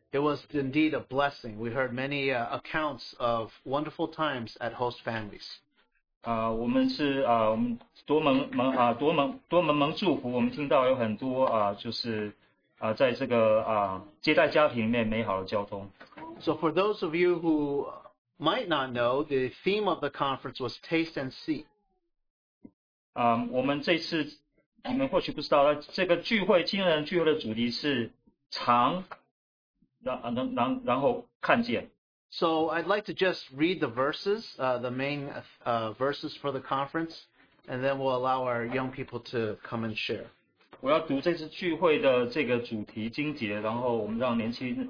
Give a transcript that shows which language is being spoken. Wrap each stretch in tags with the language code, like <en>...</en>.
<en>It was indeed a blessing. We heard many accounts of wonderful times at host families.</en> <zh>我们是, 我们多蒙, 多蒙祝福, 我们听到有很多, 就是, 在这个, 接待家庭里面美好的交通。</zh> <en>So for those of you who might not know, the theme of the conference was Taste and See.</en> <zh>我们这次, 你们或许不知道, 这个聚会, 青年人聚会的主题是, 尝, 然后看见。</zh> <en>So I'd like to just read the verses, the main verses for the conference, and then we'll allow our young people to come and share.</en> <zh>我要读这次聚会的这个主题经节, 然后我们让年轻,</zh>